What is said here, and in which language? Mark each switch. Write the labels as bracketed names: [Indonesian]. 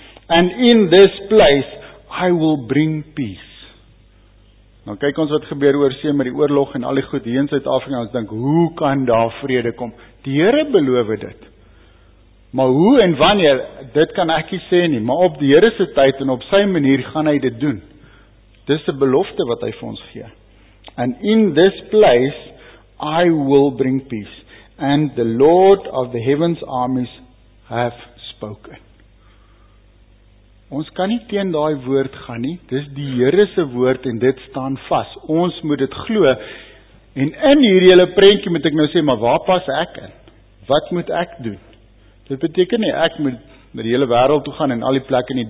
[English] And in this place, I will bring peace. [Afrikaans] Nou kyk ons wat gebeur oor see met die oorlog en al die goed hier in Suid-Afrika, ons dink, hoe kan daar vrede kom? Die Here beloof dit. Maar hoe en wanneer, dit kan ek nie sê nie, maar op die Here se tyd en op sy manier gaan hy dit doen. Dis 'n belofte wat hy vir ons gee. [English] And in this place, I will bring peace. And the Lord of the heaven's armies have spoken. [Afrikaans] Ons kan nie teen daai woord gaan nie. Dis die Here se woord en dit staan vas. Ons moet dit glo. En in hierdie hele prentjie moet ek nou sê, maar waar pas ek in? Wat moet ek doen? Dit beteken nie ek moet na die hele wêreld toe gaan en al die plekke nie.